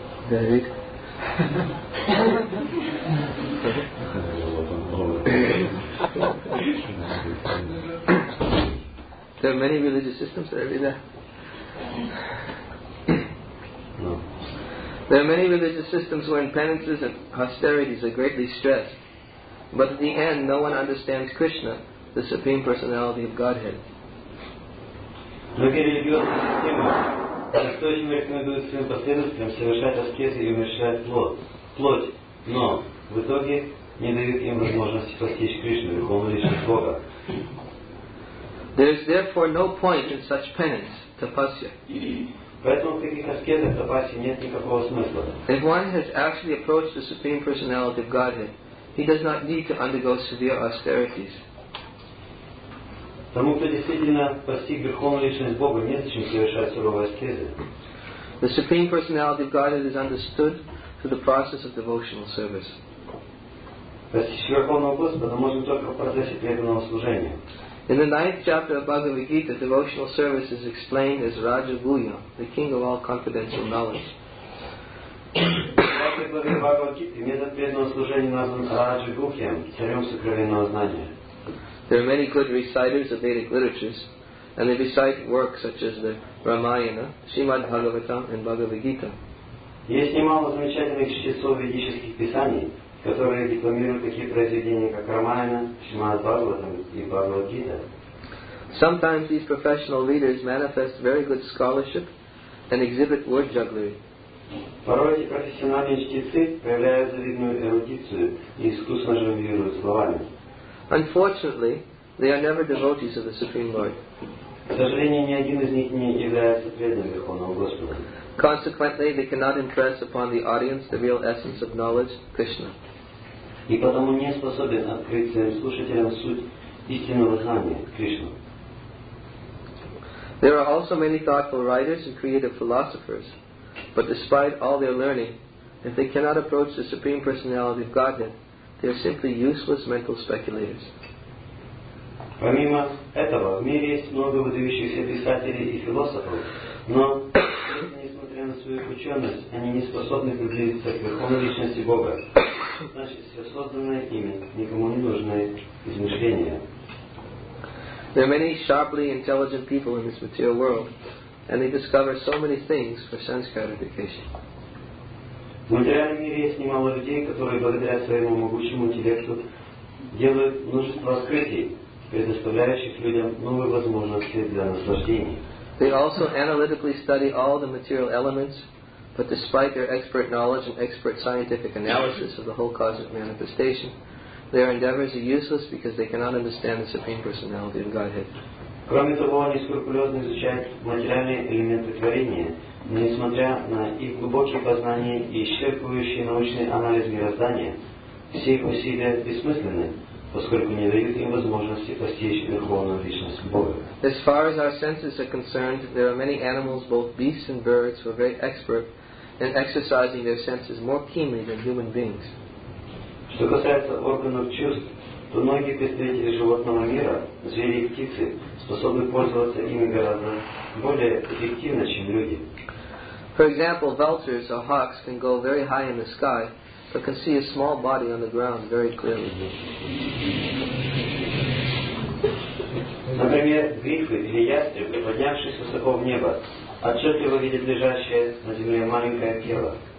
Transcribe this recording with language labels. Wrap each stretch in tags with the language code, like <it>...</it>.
<en>David. There are many religious systems that are there. There are many religious systems wherein penances and austerities are greatly stressed, but at the end no one understands Krishna, the Supreme Personality of Godhead.</en> <ru>Другие религиозные системы настойчиво рекомендуют своим последователям совершать аскезы и уменьшать плоть, но в итоге не дают им возможности постичь Кришну, Верховную Личность Бога.</ru> <en>There is therefore no point in such penance, tapasya.</en> <ru>Поэтому в таких аскезах, тапасе, нет никакого смысла.</ru> <en>If one has actually approached the Supreme Personality of Godhead, he does not need to undergo severe austerities.</en> <ru>Тому, кто действительно постиг Верховную Личность Бога, незачем совершать суровые аскезы.</ru> <en>The Supreme Personality of Godhead is understood through the process of devotional service.</en> <ru>Постичь Верховного Господа можно только в процессе преданного служения.</ru> <en>In the ninth chapter of Bhagavad Gita, devotional service is explained as Raja Guya, the king of all confidential knowledge. There are many good reciters of Vedic literatures, and they recite works such as the Ramayana, Srimad Bhagavatam, and Bhagavad Gita.</en> <ru>Есть немало замечательных чтецов ведических писаний, которые декламируют такие произведения, как Рамаяна, Шримад Бхагаватам и Бхагавад Гита.</ru> <en>Sometimes these professional readers manifest very good scholarship and exhibit word jugglery.</en> <ru>Порой эти профессиональные чтецы проявляют завидную эрудицию и искусно жонглируют словами.</ru> <en>Unfortunately, they are never devotees of the Supreme Lord.</en> <ru>К сожалению, ни один из них не является преданным Верховного Господа.</ru> <en>Consequently, they cannot impress upon the audience the real essence of knowledge, Krishna.</en> <ru>И потому не способен открыть своим слушателям суть истинного знания, Кришна.</ru> <en>There are also many thoughtful writers and creative philosophers, but despite all their learning, if they cannot approach the Supreme Personality of Godhead, they are simply useless mental speculators.</en> <ru>Помимо этого, в мире есть много выдающихся писателей и философов, но, несмотря на свою ученость, они не способны приблизиться к Верховной Личности Бога. Значит, все созданное ими никому не нужное измышление.</ru> <en>There are many sharply intelligent people in this material world, and they discover so many things for sense gratification.</en> <ru>В материальном мире есть немало людей, которые благодаря своему могучему интеллекту делают множество открытий, предоставляющих людям новые возможности для наслаждения.</ru> <en>They also analytically study all the material elements, but despite their expert knowledge and expert scientific analysis of the whole cosmic manifestation, their endeavors are useless because they cannot understand the Supreme Personality of Godhead.</en> <ru>Кроме того, они скрупулезно изучают материальные элементы творения, но несмотря на их глубокие познания и исчерпывающий научный анализ мироздания, все их усилия бессмысленны, поскольку не дают им возможности постичь Верховную Личность Бога.</ru> <en>As far as our senses are concerned, there are many animals, both beasts and birds, who are very expert in exercising their senses more keenly than human beings.</en> <ru>Что касается органов чувств, то многие представители животного мира, звери и птицы, способны пользоваться ими гораздо более эффективно, чем люди.</ru> <en>For example, vultures or hawks can go very high in the sky, but can see a small body on the ground very clearly.</en> <ru>Например, грифы или ястребы, поднявшись высоко в небо, отчетливо видят лежащее на земле маленькое тело.</ru>